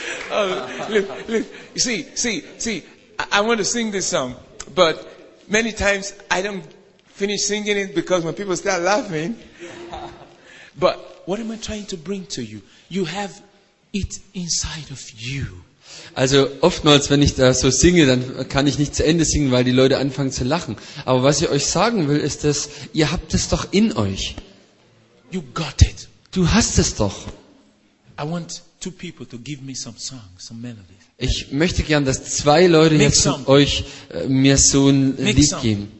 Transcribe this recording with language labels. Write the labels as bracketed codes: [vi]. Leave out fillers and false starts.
[en] Oh, look. See. I want to sing this song, but many times I don't finish singing it because when people start laughing. But what am I trying to bring to you? You have it inside of you. [de] Also oftmals, wenn ich da so singe, dann kann ich nicht zu Ende singen, weil die Leute anfangen zu lachen. Aber was ich euch sagen will, ist, dass ihr habt es doch in euch. [en] You got it. [de] Du hast es doch. [en] I want two people to give me some songs, some melodies. [de] Ich möchte gern, dass zwei Leute jetzt euch mir so ein Lied geben.